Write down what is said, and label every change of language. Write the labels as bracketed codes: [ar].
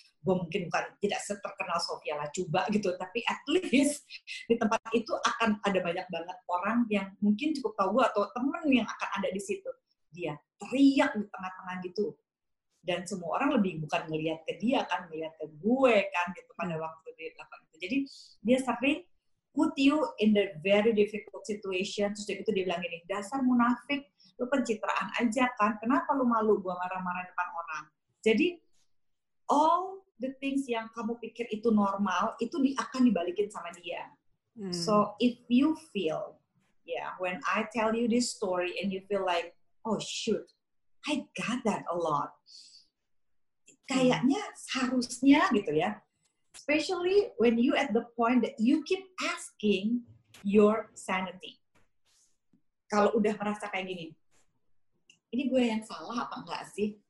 [id] Gue mungkin bukan tidak seterkenal Sophia Lacuba gitu, tapi [en] at least [id] di tempat itu akan ada banyak banget orang yang mungkin cukup tahu gue atau temen yang akan ada di situ. Dia teriak di tengah-tengah gitu, dan semua orang lebih bukan ngelihat ke dia kan, ngelihat ke gue kan gitu pada waktu di lapangan itu. Jadi dia sering [en] put you in the very difficult situation. [id] Terus gitu dia bilang ini, dasar munafik, lu pencitraan aja kan, kenapa lu malu gue marah-marah depan orang. Jadi [en] all the things [id] yang kamu pikir itu normal, itu akan dibalikin sama dia. [en] So if you feel, yeah, when I tell you this story and you feel like, oh shoot, I got that a lot. [id] kayaknya seharusnya gitu ya. [en] Especially when you at the point that you keep asking your sanity. [id] Kalau udah merasa kayak gini, ini gue yang salah apa enggak sih?